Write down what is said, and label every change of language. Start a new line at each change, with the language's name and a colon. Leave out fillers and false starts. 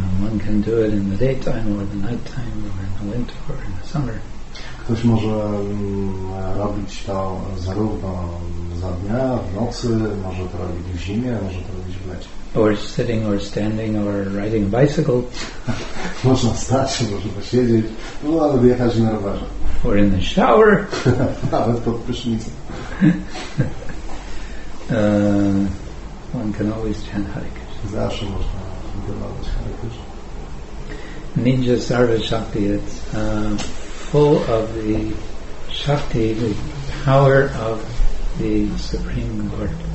English: One can do it in the daytime or the nighttime or in the winter or in the summer.
Polish: Ktoś może robić to zarówno za dnia, w nocy, może to robić w zimie, może to robić w lecie.
English: Or sitting or standing or riding a bicycle.
Polish: Można stać, można siedzieć, no nawet jechać na rowerze.
English: Or in the shower.
Polish: Nawet pod prysznicem.
English: One can always chant Hare Krishna.
Polish: Zawsze można intonować Hare Krishna.
English: Ninja Sarva Shakti, it's full of the Shakti, the power of the Supreme Lord.